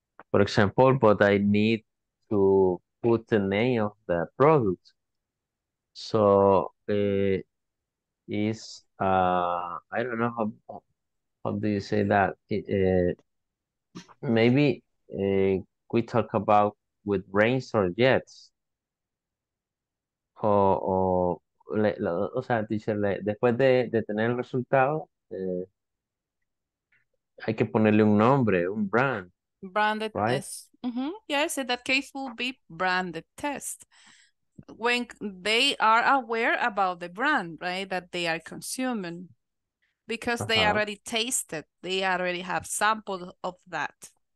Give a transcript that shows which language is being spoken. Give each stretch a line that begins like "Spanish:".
English: For example, but I need to put the name of the product. So I don't know how do you say that? Maybe we talk about with rains or jets.
Spanish: O sea, dicele, después de tener el resultado, hay que ponerle un nombre, un brand.
English: Branded test. Mm-hmm. Yes, in that case will be branded test. When they are aware about the brand, right, that they are consuming, because they already tasted, they already have samples of that.